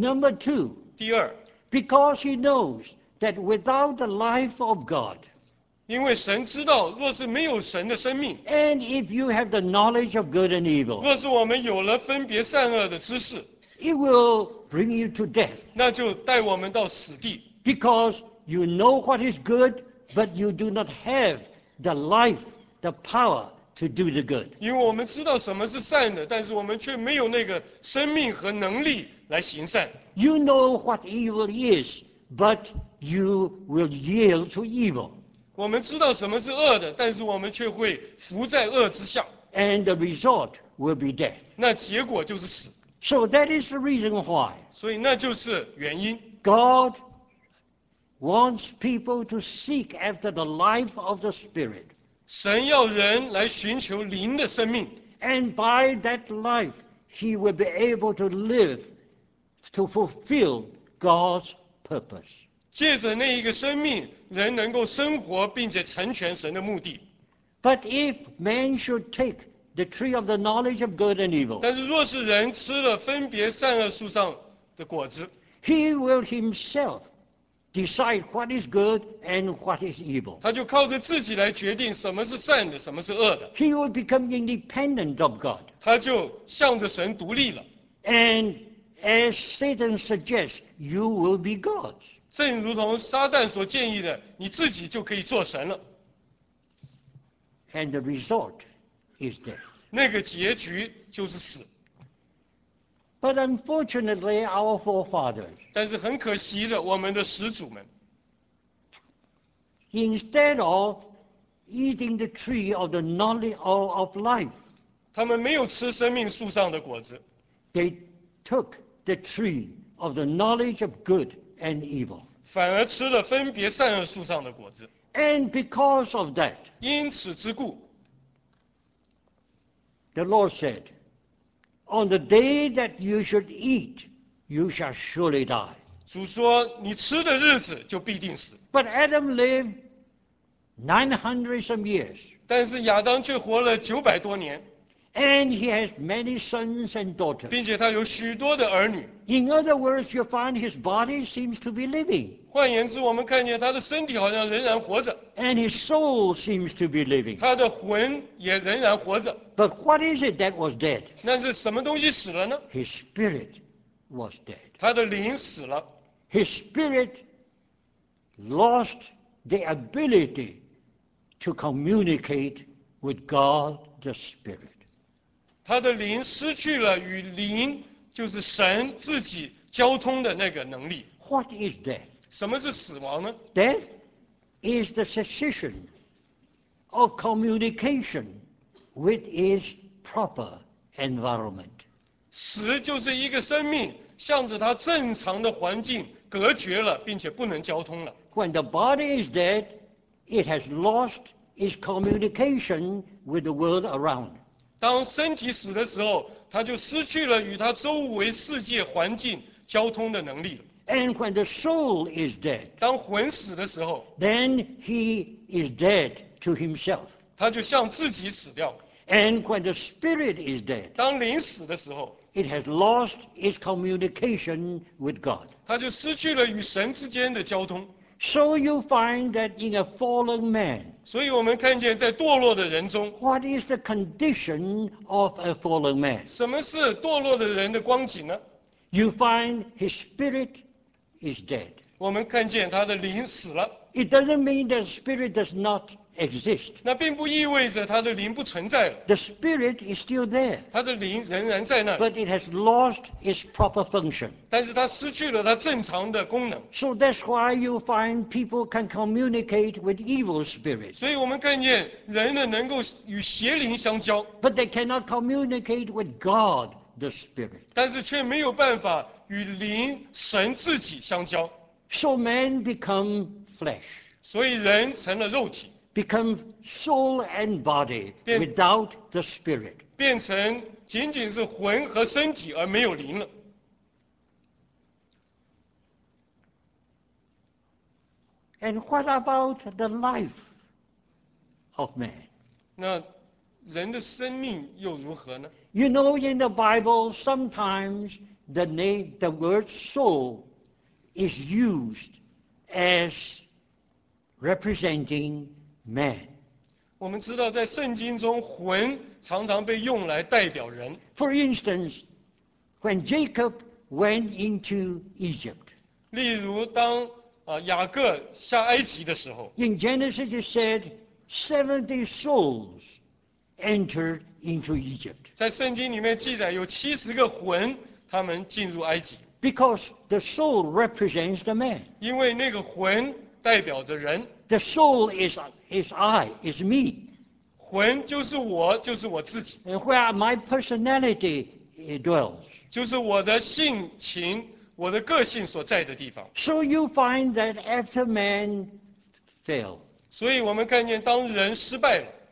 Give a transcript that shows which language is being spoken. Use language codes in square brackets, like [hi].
[en] Number two, [zh] 第二， [en] because he knows that without the life of God, [zh] 因为神知道，若是没有神的生命， [en] and if you have the knowledge of good and evil, [zh] 若是我们有了分别善恶的知识， [en] it will bring you to death. [zh] 那就带我们到死地。 [en] Because you know what is good, but you do not have the life, the power to do the good. [zh] 因为我们知道什么是善的，但是我们却没有那个生命和能力来行善。 [en] You know what evil is, but you will yield to evil. [zh] 我们知道什么是恶的，但是我们却会服在恶之下。 [en] And the result will be death. [zh] 那结果就是死。 [en] So that is the reason why. [zh] 所以那就是原因。 [en] God wants people to seek after the life of the Spirit. [zh] 神要人来寻求灵的生命。 [en] And by that life, he will be able to live to fulfill God's purpose. [zh] 借着那一个生命，人能够生活并且成全神的目的。 [en] But if man should take the tree of the knowledge of good and evil, [zh] 但是若是人吃了分别善恶树上的果子， [en] he will himself decide what is good and what is evil. [zh] 他就靠着自己来决定什么是善的，什么是恶的。 [en] He will become independent of God. [zh] 他就向着神独立了。 [en] And as Satan suggests, you will be God. [zh] 正如同撒旦所建议的，你自己就可以做神了。 [en] And the result is death. [zh] 那个结局就是死。 [en] But unfortunately, our forefathers. [zh] 但是很可惜的，我们的始祖们。 [en] Instead of eating the tree of the knowledge of life. [zh] 他们没有吃生命树上的果子。 [en] They took the tree of the knowledge of good and evil. [zh] 反而吃了分别善恶树上的果子。 [en] And because of that, [zh] 因此之故 [en] the Lord said, "On the day that you should eat, you shall surely die." [zh] 主说，你吃的日子就必定死。 [en] But Adam lived 900 some years. [zh] 但是亚当却活了900多年。 [en] And he has many sons and daughters. [zh] 并且他有许多的儿女。 [en] In other words, you find his body seems to be living. [zh] 换言之，我们看见他的身体好像仍然活着。 [en] And his soul seems to be living. [zh] 他的魂也仍然活着。 [en] But what is it that was dead? [zh] 那是什么东西死了呢？ [en] His spirit was dead. [zh] 他的灵死了。 [en] His spirit lost the ability to communicate with God the Spirit. [zh] 他的灵失去了与灵，就是神自己交通的那个能力。 [en] What is death? [zh] 什么是死亡呢？ [en] Death is the cessation of communication with its proper environment. [zh] 死就是一个生命向着它正常的环境隔绝了，并且不能交通了。 [en] When the body is dead, it has lost its communication with the world around. [zh] 当身体死的时候，他就失去了与他周围世界环境交通的能力了。 [en] And when the soul is dead, [zh] 当魂死的时候 [en] ，then he is dead to himself. [zh] 他就向自己死掉了。 [en] And when the spirit is dead, [zh] 当灵死的时候 [en] ，it has lost its communication with God. [zh] 他就失去了与神之间的交通。 [en] So you find that in a fallen man. [zh] 所以我们看见在堕落的人中。 [en] What is the condition of a fallen man? [zh] 什么是堕落的人的光景呢？ [en] You find his spirit is dead. [zh] 我们看见他的灵死了。 [en] It doesn't mean that spirit does not exist. [zh] 那并不意味着他的灵不存在了。 [en] The spirit is still there. [zh] 他的灵仍然在那里。 [en] But it has lost its proper function. [zh] 但是他失去了他正常的功能。 [en] So that's why you find people can communicate with evil spirits. [zh] 所以我们看见人呢能够与邪灵相交。 [en] But they cannot communicate with God the Spirit. [zh] 但是却没有办法与灵神自己相交。 [en] So man become flesh. [zh] 所以人成了肉体。 [en] Become soul and body without the spirit. [zh] 变成仅仅是魂和身体而没有灵了。 [en] And what about the life of man? [zh] 那人的生命又如何呢？ [en] You know, in the Bible, sometimes the name, the word soul is used as representing man. [zh] 我们知道在圣经中魂常常被用来代表人。 [en] For instance, when Jacob went into Egypt. [zh] 例如当雅各下埃及的时候。 [en] In Genesis it said, 70 souls entered into Egypt. [zh] 在圣经里面记载有70个魂他们进入埃及。 [en] Because the soul represents the man. [zh] 因为那个魂代表着人。 [en] The soul is I, is me. [zh] 魂就是我，就是我自己。 [en] And where my personality dwells. [zh] 就是我的性情，我的个性所在的地方。 [en] So you find that after man fell. [zh] 所以我们看见当人失败了。